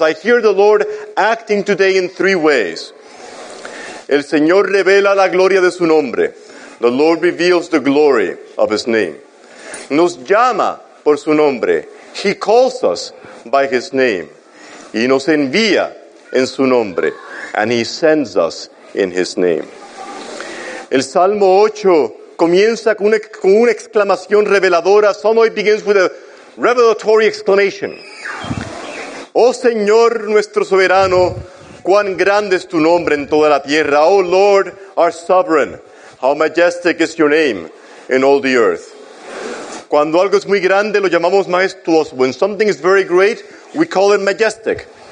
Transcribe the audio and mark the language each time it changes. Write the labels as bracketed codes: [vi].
[en] I hear the Lord acting today in three ways. [es] El Señor revela la gloria de su nombre. [en] The Lord reveals the glory of his name. [es] Nos llama por su nombre. [en] He calls us by his name. [es] Y nos envía en su nombre. [en] And he sends us in his name. [es] El Salmo 8 comienza con una exclamación reveladora. [en] Psalm 8 begins with a revelatory exclamation. [es] Oh Señor, nuestro soberano, cuán grande es tu nombre en toda la tierra. [en] Oh Lord, our sovereign, how majestic is your name in all the earth. [es] Cuando algo es muy grande, lo llamamos majestuoso. [en] When something is very great, we call it majestic.